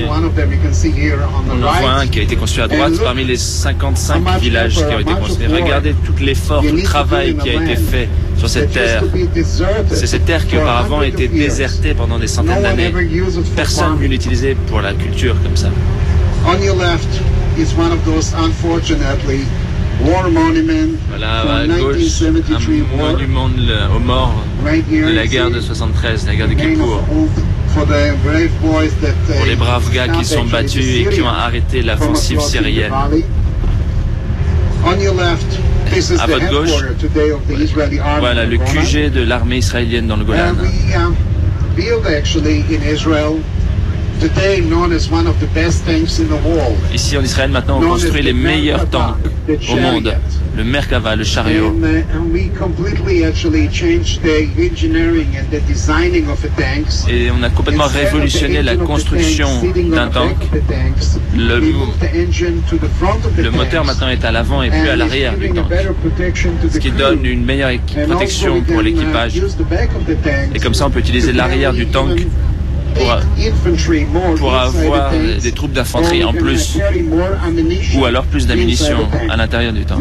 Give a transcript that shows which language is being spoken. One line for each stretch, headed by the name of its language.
French: On en voit un qui a été construit à droite parmi les 55 villages qui ont été construits. Regardez tout l'effort, tout le travail qui a été fait sur cette terre. C'est cette terre qui auparavant était désertée pendant des centaines d'années. Personne ne l'utilisait pour la culture comme ça.
English: On your left is one of those unfortunately war monuments.
French: Voilà, à gauche, un monument aux morts de la guerre de 73, la guerre de Kippour. Pour les braves gars qui sont battus et qui ont arrêté l'offensive syrienne.
English: On your left, this is the headquarters today of the Israeli army.
French: Voilà le QG de l'armée israélienne dans le Golan.
English: We build actually in Israel. Today known as one of the best tanks in the world.
French: Ici en Israël, maintenant, on construit les meilleurs tanks au monde, le Merkava, le chariot.
English: And we completely actually changed the engineering and the designing of the tanks.
French: Et on a complètement révolutionné la construction d'un tank. Le moteur maintenant est à l'avant et plus à l'arrière du tank, ce qui donne une meilleure protection pour l'équipage. Et comme ça, on peut utiliser l'arrière du tank pour avoir des troupes d'infanterie en plus, ou alors plus d'ammunitions à l'intérieur du tank.